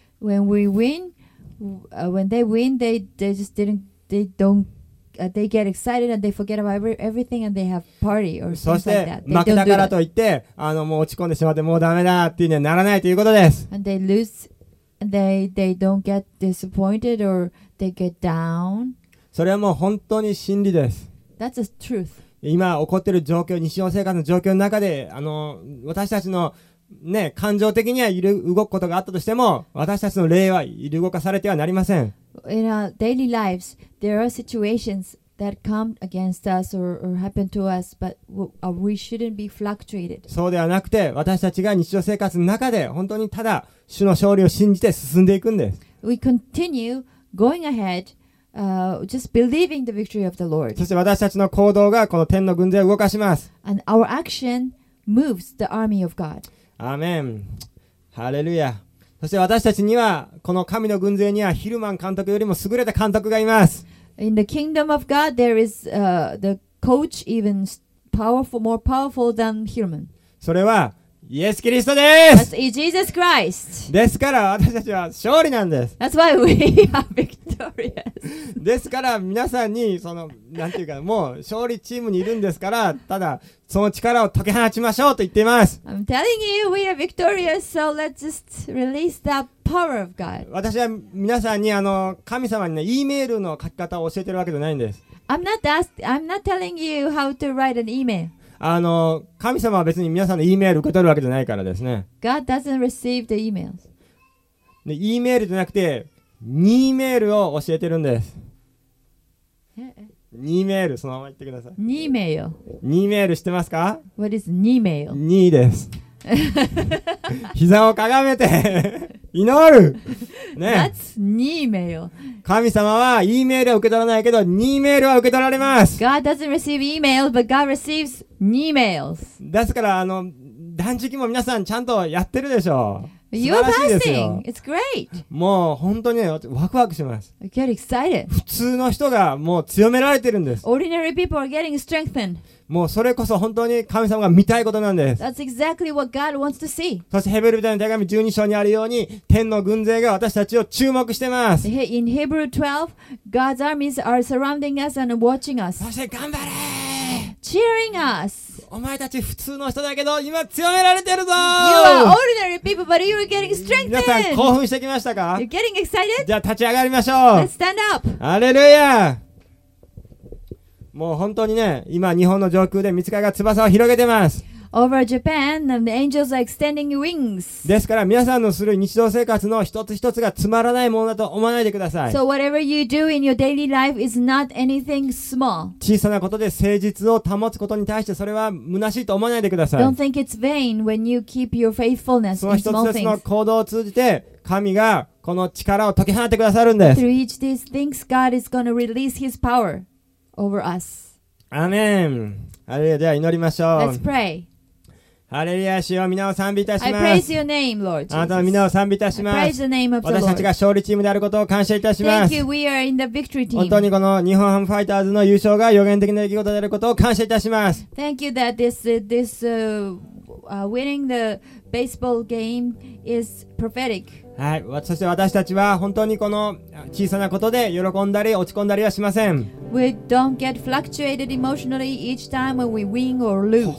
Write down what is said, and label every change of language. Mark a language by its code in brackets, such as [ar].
[en] When we win, when they win, they just didn't, they don't, they get excited and they forget about everything and they have party or something like that. [ja] そして負けたからといって、あのもう落ち込んでしまってもうダメだっていうにはならないということです。 [en] And they lose, they don't get disappointed or they get down. [ja] それはもう本当に真理です。 [en] That's the truth. [ja] 今起こっている状況、日常生活の状況の中で、あの私たちのね、感情的には動くことがあったとしても私たちの霊は動かされてはなりません。 [en] In our daily lives, there are situations that come against us or happen to us, but we shouldn't be fluctuated. [ja] そうではなくて私たちが日常生活の中で本当にただ主の勝利を信じて進んでいくんです。 [en] We continue going aheadjust believing the victory of the Lord. [ja] そして私たちの行動がこの天の軍勢を動かします。 [en] And our action moves the army of God. [ja] アーメン、ハレルヤ。そして私たちにはこの神の軍勢にはヒルマン監督よりも優れた監督がいます。 [en] In the kingdom of God there is the coach even powerful, more powerful than Hillman. [ja] それはイエス・キリストです。 [en] That's Jesus Christ. [ja] ですから私たちは勝利なんです。 [en] That's why we are victorious. [ja] ですから皆さんにそのなんていうかもう勝利チームにいるんですから、ただその力を解き放ちましょうと言っています。 [en] I'm telling you we are victorious, so let's just release that power of God. [ja] 私は皆さんにあの神様にね、E メールの書き方を教えてるわけじゃないんです。 [en] I'm not telling you how to write an email. [ja] あの神様は別に皆さんの E メール受け取るわけじゃないからですね。 [en] God doesn't receive the emails. [ja] で E メールじゃなくて E メールを教えてるんです。 E メール、そのまま言ってください。 E メール、 E メール知ってますか？ [en] What is E メール？ [ja] E です。膝をかがめて祈る、ね、 [en] That's E メール。 [ja] 神様は E メールは受け取らないけど E メールは受け取られます。 [en] God doesn't receive email but God receivesEmails. [ja] ですからあの断食も皆さんちゃんとやってるでしょう。 [en] You are fasting. It's great. [ja] もう本当にワクワクします。 [en] I get excited. [ja] 普通の人がもう強められてるんです。 [en] Ordinary people are getting strengthened. [ja] もうそれこそ本当に神様が見たいことなんです。 [en] That's exactly what God wants to see. [ja] そしてヘブル人の手紙12章にあるように天の軍勢が私たちを注目してます。 [en] In Hebrew 12, God's armies are surrounding us and watching us. [ja] そして頑張れ。 [en] Cheering us. [ja] お前たち普通の人だけど今強められてるぞ。 [en] You are ordinary people, but you are getting strengthened. [ja] 皆さん興奮してきましたか？ [en] You're getting excited? [ja] じゃあ立ち上がりましょう。 [en] Let's stand up. [ja] ハレルヤ。もう本当にね、今日本の上空で御使いが翼を広げてます。 [en] Over Japan, and the angels are extending wings. [ja] ですから皆さんのする日常生活の一つ一つがつまらないものだと思わないでください。 [en] So whatever you do in your daily life is not anything small. [ja] 小さなことで誠実を保つことに対してそれは虚しいと思わないでください。 [en] Don't think it's vain when you keep your faithfulness in small things. [ja] その一つ一つの行動を通じて神がこの力を解き放ってくださるんです。 [en] Through each of these things, God is going to release His power over us. [ja] アメン。あれでは祈りましょう。 [en] Let's pray. [ja] ハレルヤ、主よ、皆を賛美いたします。 [en] I praise your name, Lord Jesus. [ja] あなたの皆を賛美いたします。 [en] I praise the name of the Lord. [ja] 私たちが勝利チームであることを感謝いたします。 [en] Thank you, we are in the victory team. [ja] 本当にこの日本ハムファイターズの優勝が予言的な出来事であることを感謝いたします。 [en] Thank you that this winning the baseball game is prophetic. [ja] はい、そして私たちは本当にこの小さなことで喜んだり落ち込んだりはしません。 [en] We don't get fluctuated emotionally each time when we win or lose.